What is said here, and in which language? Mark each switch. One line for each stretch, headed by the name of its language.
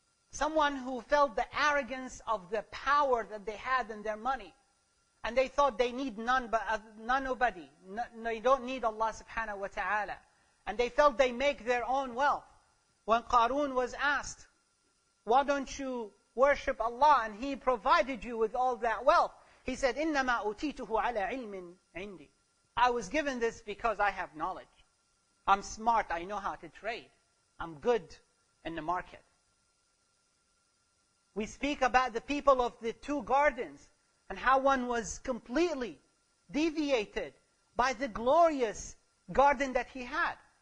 English: Someone who felt the arrogance of the power that they had in their money. And they thought they need none but nobody. No, they don't need Allah subhanahu wa ta'ala. And they felt they make their own wealth. When Qarun was asked, why don't you worship Allah and He provided you with all that wealth?
Arabic: He said, إِنَّمَا أُوتِيتُهُ عَلَىٰ عِلْمٍ عِنْدِي.
English: I was given this because I have knowledge. I'm smart. I know how to trade. I'm good in the market. We speak about the people of the two gardens and how one was completely deviated by the glorious garden that he had.